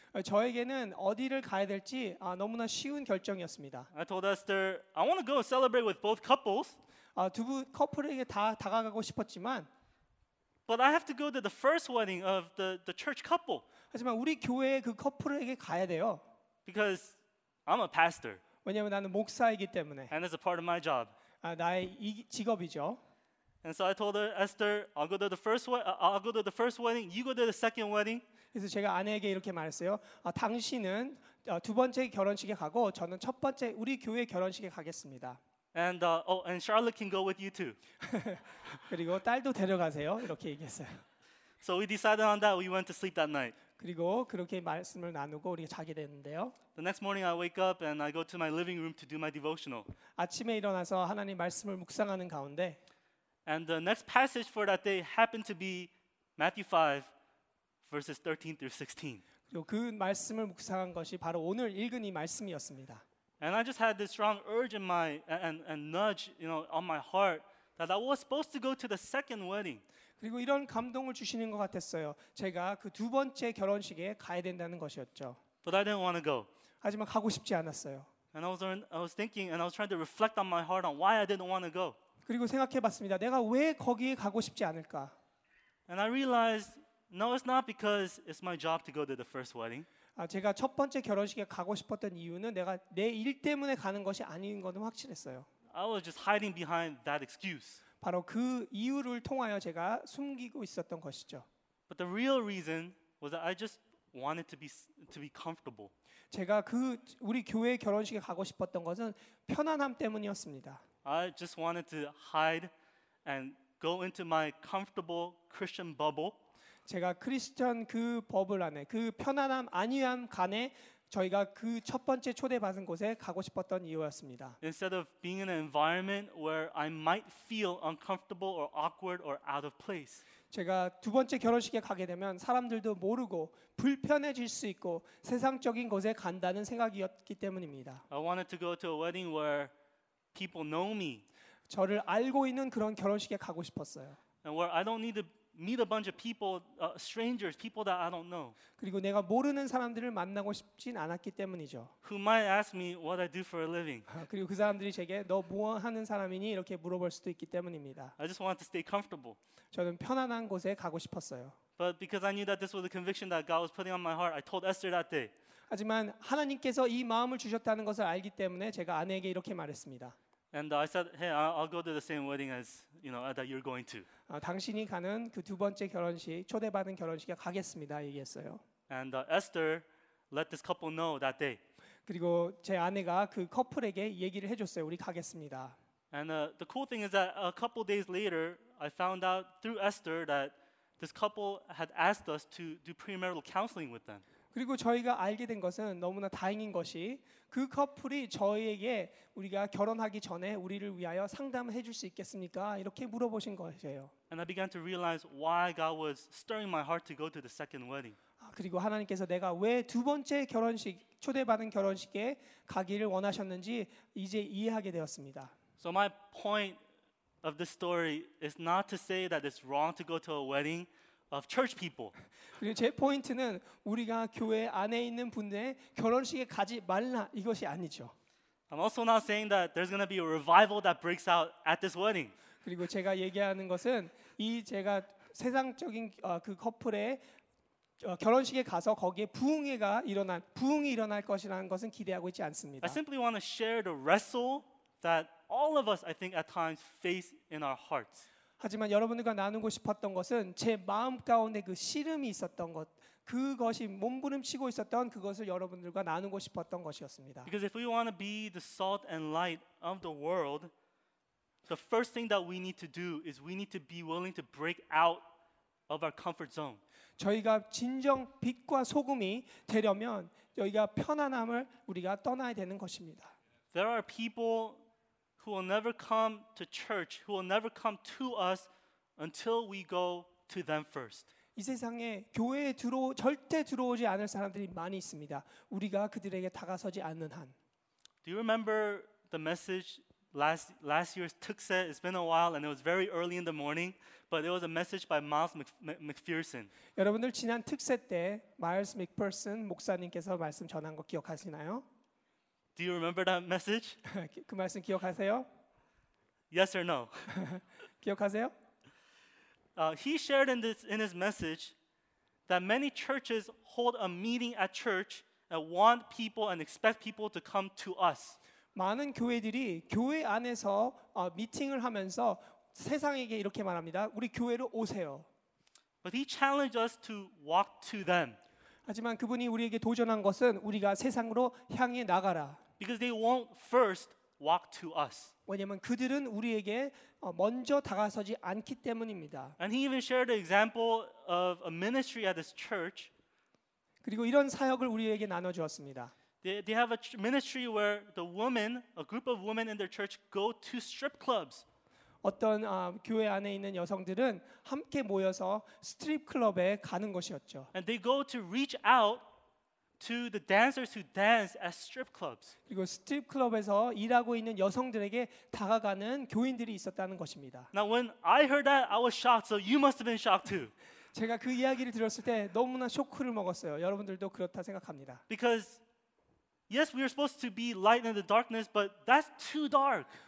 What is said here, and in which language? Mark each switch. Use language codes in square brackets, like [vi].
[ko] 저에게는 어디를 가야 될지 너무나 쉬운 결정이었습니다. [en] I told Esther, I want to go celebrate with both couples. [ko] 두 분 커플에게 다 다가가고 싶었지만, [en] but I have to go to the first wedding of the church couple. [ko] 하지만 우리 교회의 그 커플에게 가야 돼요. [en] Because I'm a pastor. [ko] 왜냐하면 나는 목사이기 때문에. [en] And it's a part of my job. [ko] 나의 이 직업이죠. [en] And so I told her, Esther, I'll go to the first wedding. You go to the second wedding. [ko] 그래서 제가 아내에게 이렇게 말했어요. 당신은 두 번째 결혼식에 가고 저는 첫 번째 우리 교회 결혼식에 가겠습니다. [en] And and Charlotte can go with you too. [ko] 그리고 딸도 데려가세요. 이렇게 얘기했어요. [en] So we decided on that. We went to sleep that night. [ko] 그리고 그렇게 말씀을 나누고 우리가 자게 됐는데요. [en] The next morning I wake up and I go to my living room to do my devotional. [ko] 아침에 일어나서 하나님 말씀을 묵상하는 가운데 [en] And the next passage for that day happened to be Matthew 5. Verses 13 through 16. [ko] 그리고 그 말씀을 묵상한 것이 바로 오늘 읽은 이 말씀이었습니다. [en] And I just had this strong urge in my and nudge, you know, on my heart that I was supposed to go to the second wedding. [ko] 그리고 이런 감동을 주시는 것 같았어요. 제가 그 두 번째 결혼식에 가야 된다는 것이었죠. [en] But I didn't want to go. [ko] 하지만 가고 싶지 않았어요. [en] And I was thinking and I was trying to reflect on my heart on why I didn't want to go. [ko] 그리고 생각해 봤습니다. 내가 왜 거기에 가고 싶지 않을까? [en] And I realized no it's not because it's my job to go to the first wedding. [ko] 아, 제가 첫 번째 결혼식에 가고 싶었던 이유는 내가 내 일 때문에 가는 것이 아닌 거는 확실했어요. [en] I was just hiding behind that excuse. [ko] 바로 그 이유를 통하여 제가 숨기고 있었던 것이죠. [en] But the real reason was that I just wanted to be comfortable. [ko] 제가 그 우리 교회 결혼식에 가고 싶었던 것은 편안함 때문이었습니다. [en] I just wanted to hide and go into my comfortable Christian bubble. [ko] 제가 크리스천 그 버블 안에 그 편안함 안위함 간에 저희가 그 첫 번째 초대받은 곳에 가고 싶었던 이유였습니다. [en] Instead of being in an environment where I might feel uncomfortable or awkward or out of place. [ko] 제가 두 번째 결혼식에 가게 되면 사람들도 모르고 불편해질 수 있고 세상적인 곳에 간다는 생각이었기 때문입니다. [en] I wanted to go to a wedding where people know me. [ko] 저를 알고 있는 그런 결혼식에 가고 싶었어요. [en] And where I don't need to meet a bunch of people, strangers, people that I don't know. [ko] 그리고 내가 모르는 사람들을 만나고 싶진 않았기 때문이죠. [en] Who might ask me what I do for a living? [ko] 그리고 그 사람들이 제게 너 뭐 하는 사람이니 이렇게 물어볼 수도 있기 때문입니다. [en] I just wanted to stay comfortable. [ko] 저는 편안한 곳에 가고 싶었어요. [en] But because I knew that this was a conviction that God was putting on my heart, I told Esther that day. [ko] 하지만 하나님께서 이 마음을 주셨다는 것을 알기 때문에 제가 아내에게 이렇게 말했습니다. [en] And I said, "Hey, I'll go to the same wedding as you know that you're going to." [ko] 당신이 가는 그 두 번째 결혼식 초대받은 결혼식에 가겠습니다. 얘기했어요. [en] And Esther let this couple know that day. [ko] 그리고 제 아내가 그 커플에게 얘기를 해줬어요. 우리 가겠습니다. [en] And the cool thing is that a couple days later, I found out through Esther that this couple had asked us to do premarital counseling with them. [ko] 그리고 저희가 알게 된 것은 너무나 다행인 것이 그 커플이 저희에게 우리가 결혼하기 전에 우리를 위하여 상담해 줄 수 있겠습니까? 이렇게 물어보신 것이에요. [en] And I began to realize why God was stirring my heart to go to the second wedding. [ko] 그리고 하나님께서 내가 왜 두 번째 결혼식 초대받은 결혼식에 가기를 원하셨는지 이제 이해하게 되었습니다. [en] So my point of the story is not to say that it's wrong to go to a wedding of church people. [ko] 제 포인트는 우리가 교회 안에 있는 분들의 결혼식에 가지 말라 이것이 아니죠. [en] I'm also not saying that there's going to be a revival that breaks out at this wedding. [ko] 그리고 제가 얘기하는 것은 이 제가 세상적인 그 커플의 결혼식에 가서 거기에 부흥이 일어날 것이라는 것은 기대하고 있지 않습니다. [en] I simply want to share the wrestle that all of us I think at times face in our hearts. [ko] 하지만 여러분들과 나누고 싶었던 것은 제 마음 가운데 그 씨름이 있었던 것, 그것이 몸부림치고 있었던 그것을 여러분들과 나누고 싶었던 것이었습니다. [en] Because if we want to be the salt and light of the world, the first thing that we need to do is we need to be willing to break out of our comfort zone. [ko] 저희가 진정 빛과 소금이 되려면 저희가 편안함을 우리가 떠나야 되는 것입니다. [en] There are people who will never come to church, who will never come to us until we go to them first. [ko] 이 세상에 교회에 절대 들어오지 않을 사람들이 많이 있습니다. 우리가 그들에게 다가서지 않는 한. [en] Do you remember the message last year's Tukse? It's been a while and it was very early in the morning, but it was a message by Miles McPherson. [ko] 여러분들 지난 특세 때 마일스 맥퍼슨 목사님께서 말씀 전한 거 기억하시나요? [en] Do you remember that message? [ko] 그 말씀 기억하세요? [en] Yes or no? [ko] 기억하세요? [en] He shared in his message that many churches hold a meeting at church and want people and expect people to come to us. [ko] 많은 교회들이 교회 안에서 미팅을 하면서 세상에게 이렇게 말합니다. 우리 교회로 오세요. [en] But he challenged us to walk to them. [ko] 하지만 그분이 우리에게 도전한 것은 우리가 세상으로 향해 나가라. [en] Because they won't first walk to us. [ko] 왜냐하면 그들은 우리에게 먼저 다가서지 않기 때문입니다. [en] And he even shared the example of a ministry at this church. [ko] 그리고 이런 사역을 우리에게 나눠주었습니다. [en] They have a ministry where the women, a group of women in their church, go to strip clubs. [ko] 어떤 교회 안에 있는 여성들은 함께 모여서 스트립 클럽에 가는 것이었죠. [en] And they go to reach out to the dancers who dance at strip clubs. [ko] 그리고 스트립 클럽에서 일하고 있는 여성들에게 다가가는 교인들이 있었다는 것입니다. [en] Now when I heard that, I was shocked. So you must have been shocked too. [ko] 제가 그 이야기를 들었을 때 너무나 쇼크를 먹었어요. 여러분들도 그렇다 생각합니다. [en] Because yes, we are supposed to be light in the darkness, but that's too dark.